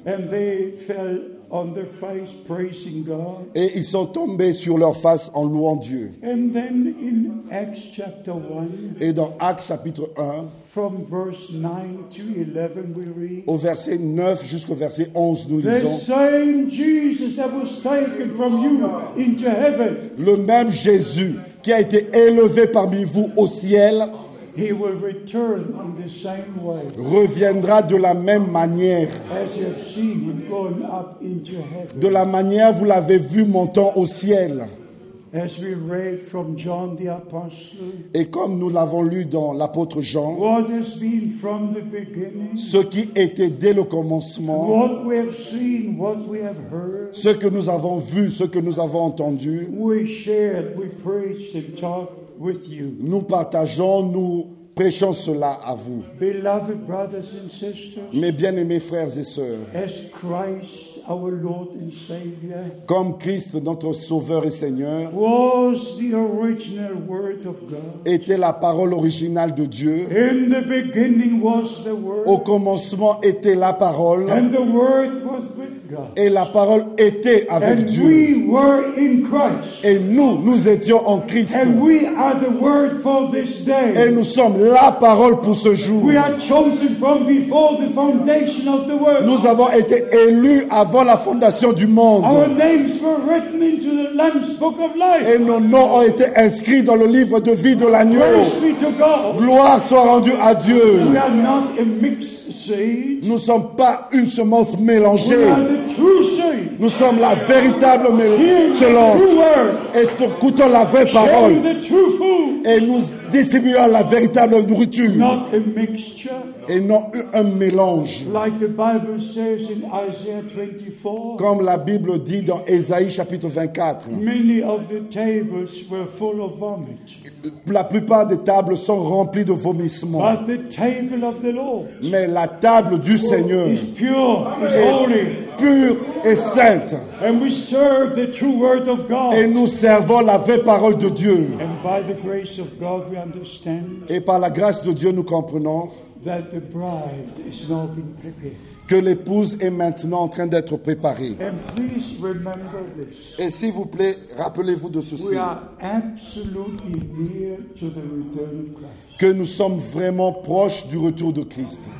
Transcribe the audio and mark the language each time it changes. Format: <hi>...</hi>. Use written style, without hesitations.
<en>And they fell on their face praising God.</en> <fr>Et ils sont tombés sur leur face en louant Dieu.</fr> <en>And then in Acts chapter 1,</en> <fr>et dans Actes chapitre 1,</fr> <en>from verse 9 to 11 we read,</en> <fr>au verset 9 jusqu'au verset 11, nous</fr> <en>the</en> <fr>lisons</fr> <en>same Jesus that was taken from you into heaven,</en> <fr>le même Jésus qui a été élevé parmi vous au ciel,</fr> <en>he will return in the same way,</en> <fr>reviendra de la même manière,</fr> <en>as you have seen him going up into heaven,</en> <fr>de la manière vous l'avez vu montant au ciel.</fr> <en>As we read from John the Apostle,</en> <fr>et comme nous l'avons lu dans l'apôtre Jean,</fr> <en>what has been from the beginning,</en> <fr>ce qui était dès le commencement,</fr> <en>what we have seen, what we have heard,</en> <fr>ce que nous avons vu, ce que nous avons entendu,</fr> <en>we shared, we preached and talked with you.</en> <fr>Nous partageons, nous prêchons cela à vous.</fr> <en>Beloved brothers and sisters,</en> <fr>mes bien-aimés frères et sœurs,</fr> <en>as Christ, our Lord and Savior,</en> <fr>comme Christ, notre Sauveur et Seigneur,</fr> <en>was the original word of God,</en> <fr>était la parole originale de Dieu.</fr> <en>In the beginning was the word,</en> <fr>au commencement était la parole,</fr> <en>and the word was with God,</en> <fr>et la parole était avec</fr> <en>and</en> <fr>Dieu.</fr> <en>We were in Christ,</en> <fr>et nous étions en Christ.</fr> <en>And we are the word for this day,</en> <fr>et nous sommes la parole pour ce jour.</fr> <en>We are chosen from before the foundation of the world,</en> <fr>nous avons été élus avant la fondation du monde.</fr> <en>Our names were written into the Lamb's book of life.</en> <fr>Et nos noms ont été inscrits dans le livre de vie de l'agneau. Gloire soit rendue à Dieu.</fr> <en>We are not a mixed seed.</en> <fr>Nous ne sommes pas une semence mélangée.</fr> <en>We are the true seed.</en> <fr>Nous sommes la véritable semence. Et écoutons la vraie parole.</fr> <en>The true food.</en> <fr>Et nous distribuons la véritable nourriture.</fr> <en>Not a mixture.</en> <fr>Et non un mélange.</fr> <en>Like the Bible says in Isaiah 24,</en> <fr>comme la Bible dit dans Ésaïe chapitre 24.</fr> <en>Many of the tables were full of vomit.</en> <fr>La plupart des tables sont remplies de vomissements.</fr> <en>But the table of the Lord,</en> <fr>mais la table du Seigneur</fr> <en>is pure, is holy,</en> <fr>pure et sainte.</fr> <en>And we serve the true word of God.</en> <fr>Et nous servons la vraie parole de Dieu.</fr> <en>And by the grace of God we understand,</en> <fr>et par la grâce de Dieu nous comprenons,</fr> <en>that the bride is now being prepared,</en> <fr>que l'épouse est maintenant en train d'être préparée.</fr> <en>And please remember this.</en> <fr>Et s'il vous plaît, rappelez-vous de ceci.</fr> <en>We are absolutely near to the return of Christ.</en> <fr>Que nous sommes vraiment proches du retour de Christ.</fr>